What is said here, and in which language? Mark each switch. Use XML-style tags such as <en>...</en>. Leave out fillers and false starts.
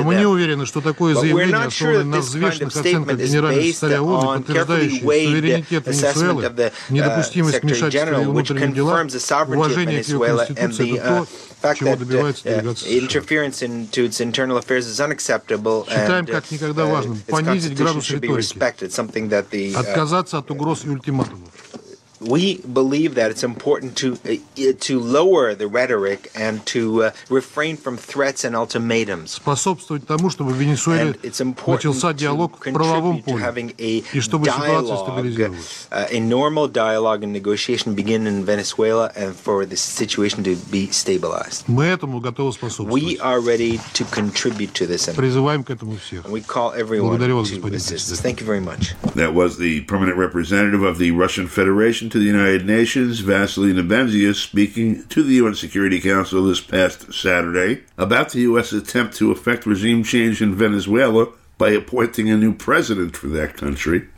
<ru>Но мы не уверены, что такое заявление, основанное на взвешенных оценках генерального секретаря ООН, подтверждающее суверенитет Венесуэлы, недопустимость вмешательства в внутренние дела, уважение к ее конституции, это то, чего добивается делегация США. Считаем как никогда важным понизить градус риторики, отказаться от угроз и ультиматумов.</ru> <en>We believe that it's important to lower the rhetoric and to refrain from threats and ultimatums.</en> <ru>Способствовать тому, чтобы в Венесуэле начался диалог в правовом поле, и чтобы ситуация стабилизировалась.</ru> <en>A normal dialogue and negotiation begin in Venezuela and for the situation to be stabilized.</en> <ru>Мы этому готовы способствовать.</ru> <en>We are ready to contribute to this.</en> <ru>Призываем к этому всех.</ru> <en>We call everyone.</en> <ru>Благодарю вас, господин президент.</ru> <en>Thank you very much. That was the permanent representative of the Russian Federation to the United Nations, Vasily Nebenzia, speaking to the UN Security Council this past Saturday about the U.S. attempt to effect regime change in Venezuela by appointing a new president for that country.</en>